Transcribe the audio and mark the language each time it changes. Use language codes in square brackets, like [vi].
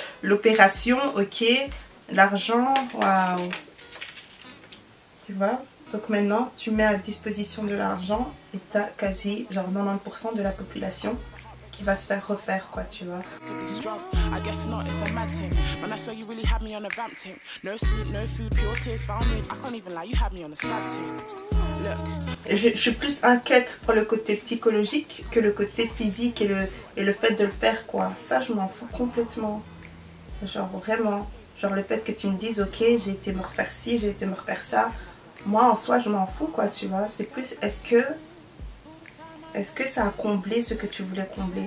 [fr] L'opération, ok. L'argent, waouh. Tu vois? Donc maintenant, tu mets à disposition de l'argent et t'as quasi genre 90% de la population qui va se faire refaire quoi, tu vois. [en] I guess not, it's a mad thing. Man, I swear you really had me on a vamp thing. No sleep, no food, pure tears found me. I can't even lie, you had me on a sad thing. [fr] Je suis plus inquiète pour le côté psychologique que le côté physique et le fait de le faire quoi. Ça, je m'en fous complètement. Genre vraiment. Genre le fait que tu me dises, ok, j'ai été me refaire ci, j'ai été me refaire ça. Moi, en soi, je m'en fous quoi, tu vois. C'est plus, est-ce que ça a comblé ce que tu voulais combler?